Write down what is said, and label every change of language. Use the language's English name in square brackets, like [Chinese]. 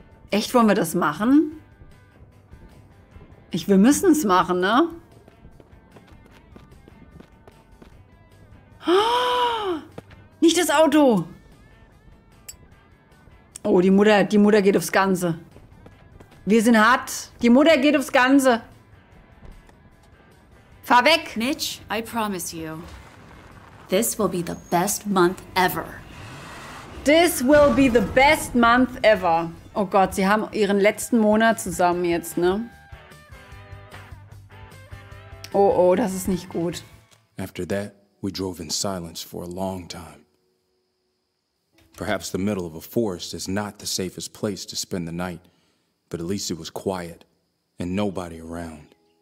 [German] Echt, wollen wir das machen? Wir müssen es machen, ne? Nicht das Auto! Oh, die Mutter geht aufs Ganze. Wir sind hart. Die Mutter geht aufs Ganze. Fahr weg! [English] Mitch, I promise you. This will be the best month ever. This will be the best month ever. [German] Oh Gott, sie haben ihren letzten Monat zusammen jetzt, ne? Oh oh, das ist nicht gut. [English] After that, we drove in silence for a long time. Perhaps the middle of a forest is not the safest place to spend the night, but at least it was quiet and nobody around.